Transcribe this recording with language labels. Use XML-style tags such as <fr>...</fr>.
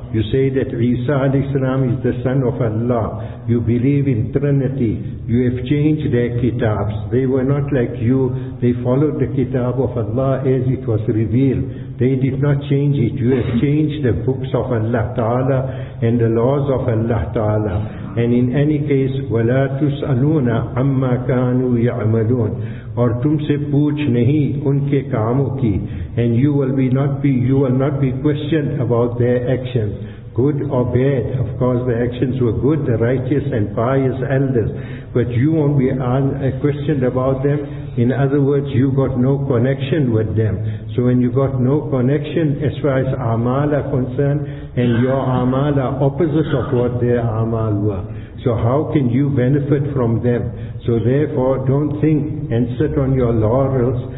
<en>You say that Isa alayhi salam is the son of Allah. You believe in Trinity. You have changed their kitabs. They were not like you. They followed the kitab of Allah as it was revealed. They did not change it. You have changed the books of Allah Ta'ala and the laws of Allah Ta'ala. And in any case,</en> <ar>وَلَا تُسْأَلُونَ عَمَّا كَانُوا يَعْمَلُونَ</ar> <ur>اور تم سے پوچھ نہیں ان کے کاموں کی.</ur> <en>And you will not be questioned about their actions, good or bad. Of course the actions were good, the righteous and pious elders. But you won't be questioned about them. In other words, you got no connection with them. So when you got no connection as far as amal are concerned, and your amal are opposite of what their amal were, so how can you benefit from them? So therefore, don't think and sit on your laurels</en>